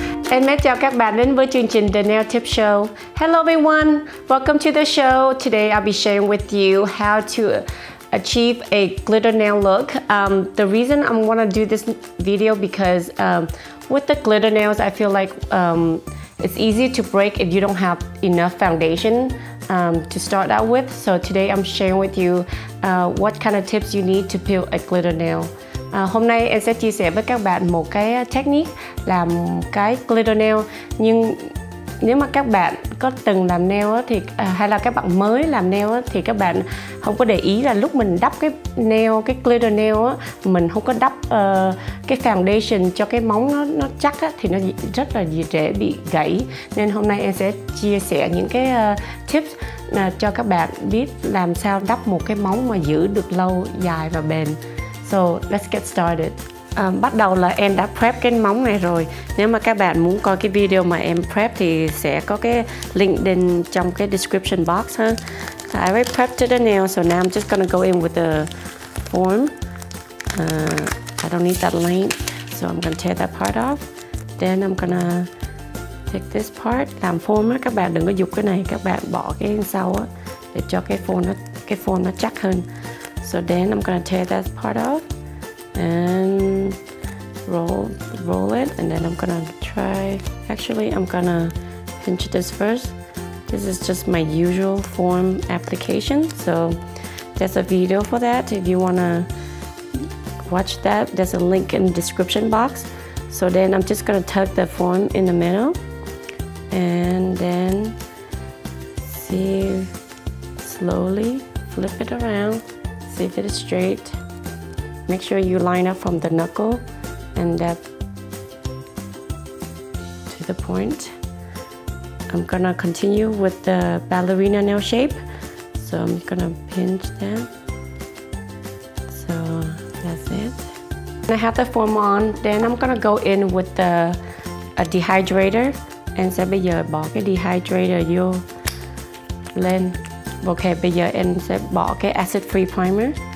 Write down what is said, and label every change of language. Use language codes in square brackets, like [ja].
[vi] Mến chào các bạn đến với chương trình The Nail Tip Show. [en] Hello everyone, welcome to the show. Today I'll be sharing with you how to achieve a glitter nail look. The reason I want to do this video because with the glitter nails, I feel like it's easy to break if you don't have enough foundation to start out with. So today I'm sharing with you what kind of tips you need to peel a glitter nail. [vi] Hôm nay em sẽ chia sẻ với các bạn một cái technique làm cái glitter nail. Nhưng nếu mà các bạn có từng làm nail thì hay là các bạn mới làm nail thì các bạn không có để ý là lúc mình đắp cái nail, cái glitter nail mình không có đắp cái foundation cho cái móng nó chắc thì nó rất là dễ bị gãy. Nên hôm nay em sẽ chia sẻ những cái tips cho các bạn biết làm sao đắp một cái móng mà giữ được lâu, dài và bền. [en] So let's get started. [vi] Bắt đầu là em đã prep cái móng này rồi. Nếu mà các bạn muốn coi cái video mà em prep thì sẽ có cái link bên trong cái description box ha. [en] So I already prepped the nail, so now I'm just gonna go in with the form. I don't need that length, so I'm gonna tear that part off. Then I'm gonna take this part. Làm form á, các bạn đừng có giục cái này, các bạn bỏ cái bên sau á để cho cái form nó chắc hơn. So then I'm gonna tear that part off and roll it, and then I'm gonna try. Actually, I'm gonna pinch this first. This is just my usual form application. So there's a video for that. If you wanna watch that, there's a link in the description box. So then I'm just gonna tuck the form in the middle and then see, slowly flip it around. See if it is straight. Make sure you line up from the knuckle and that to the point. I'm gonna continue with the ballerina nail shape. So I'm gonna pinch that. So that's it. And I have the form on. Then I'm gonna go in with a dehydrator. [vi] And sẽ bây giờ bỏ cái dehydrator vô lên. Okay, bây giờ em sẽ bỏ cái acid free primer.